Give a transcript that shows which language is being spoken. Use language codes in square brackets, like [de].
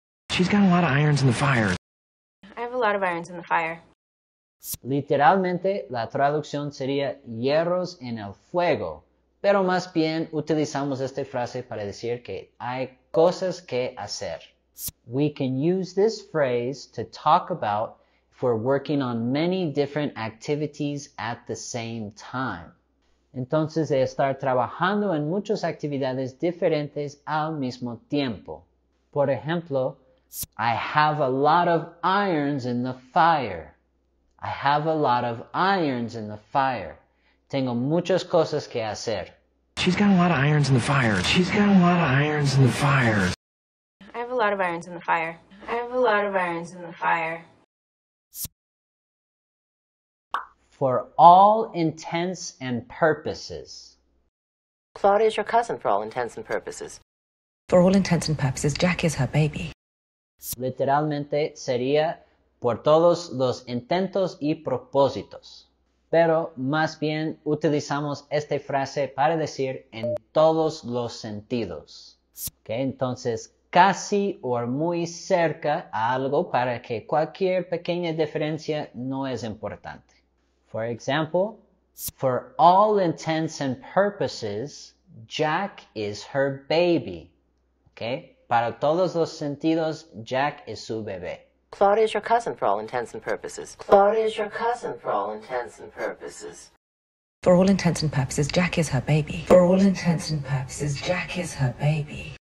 [en] She's got a lot of irons in the fire. I have a lot of irons in the fire. [es] Literalmente, la traducción sería hierros en el fuego. Pero más bien, utilizamos esta frase para decir que hay cosas que hacer. [en] We can use this phrase to talk about we're working on many different activities at the same time. [es] Entonces, de estar trabajando en muchas actividades diferentes al mismo tiempo. Por ejemplo, [en] I have a lot of irons in the fire. I have a lot of irons in the fire. [es] Tengo muchas cosas que hacer. [en] She's got a lot of irons in the fire. She's got a lot of irons in the fire. I have a lot of irons in the fire. I have a lot of irons in the fire. For all intents and purposes. Claudia is your cousin for all intents and purposes. For all intents and purposes, Jack is her baby. [es] Literalmente sería por todos los intentos y propósitos. Pero más bien utilizamos esta frase para decir en todos los sentidos. Okay, entonces, casi o muy cerca a algo para que cualquier pequeña diferencia no es importante. [en] For example, for all intents and purposes, Jack is her baby. Okay? [es] Para todos los sentidos, Jack es su bebé. [en] Claudia is your cousin for all intents and purposes. Claudia is your cousin for all intents and purposes. For all intents and purposes, Jack is her baby. For all intents and purposes, Jack is her baby.